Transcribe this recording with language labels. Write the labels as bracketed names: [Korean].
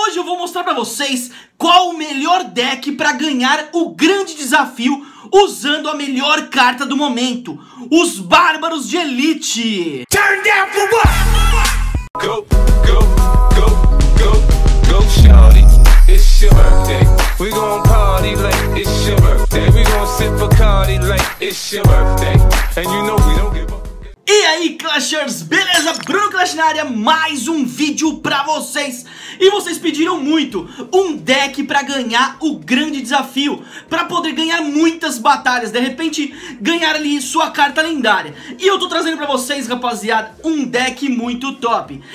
[Portuguese] eu vou mostrar pra vocês qual o melhor deck pra ganhar o grande desafio usando a melhor carta do momento, os Bárbaros de Elite. [English] Turn down for what? Go, go, go, go, go, shawty, it's your birthday. We gon' party like it's your birthday. We gon' sip a Cardi like it's your birthday. And you know we don't give up. [Portuguese] E aí, Clashers, beleza? Bruno Clash na área, mais um vídeo pra vocês. E vocês pediram muito, um deck pra ganhar o grande desafio, pra poder ganhar muitas batalhas, de repente ganhar ali sua carta lendária. E eu tô trazendo pra vocês, rapaziada, um deck muito top.